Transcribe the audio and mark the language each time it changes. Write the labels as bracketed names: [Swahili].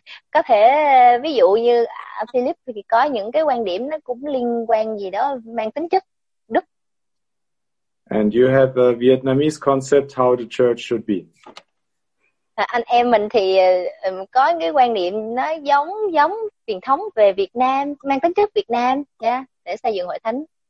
[Vietnamese] Có thể ví dụ như Philip thì có những cái quan điểm nó cũng liên quan gì đó mang tính chất. [English] And you have a Vietnamese concept how the church should be. [Vietnamese] Anh em mình thì có cái quan niệm nó giống truyền thống về Việt Nam, mang tính chất Việt Nam nha, để xây dựng hội thánh.